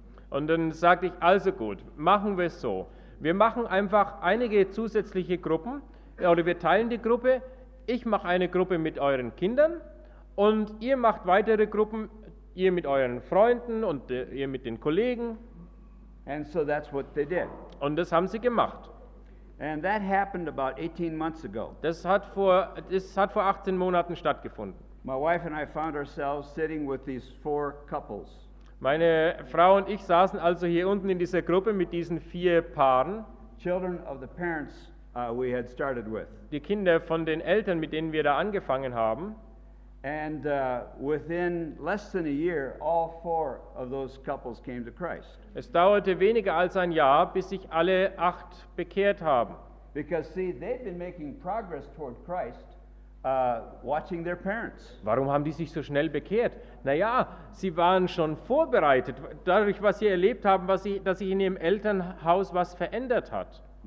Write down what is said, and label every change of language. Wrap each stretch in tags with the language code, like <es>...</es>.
<de>Und dann sagte ich, also gut, machen wir es so. Wir machen einfach einige zusätzliche Gruppen oder wir teilen die Gruppe. Ich mache eine Gruppe mit euren Kindern und ihr macht weitere Gruppen, ihr mit euren Freunden und ihr mit den Kollegen.</de> <en>And so that's what they did.</en> <de>Und das haben sie gemacht.</de> <en>And that happened about 18 months ago.</en> <de>Das hat vor 18 Monaten stattgefunden.</de> <en>My wife and I found ourselves sitting with these four couples.</en> <de>Meine Frau und ich saßen also hier unten in dieser Gruppe mit diesen vier Paaren.</de> <en>Children of the parents we had started with.</en> <de>Die Kinder von den Eltern, mit denen wir da angefangen haben.</de> <en>And within less than a year, all four of those couples came to Christ.</en> <de>Es dauerte weniger als ein Jahr, bis sich alle acht bekehrt haben.</de> <en>Because see, they've been making progress toward Christ. Watching their parents.</en> <de>Warum haben die sich so schnell bekehrt? Naja, sie waren schon vorbereitet, dadurch, was sie erlebt haben, dass sich in ihrem Elternhaus was verändert hat.</de>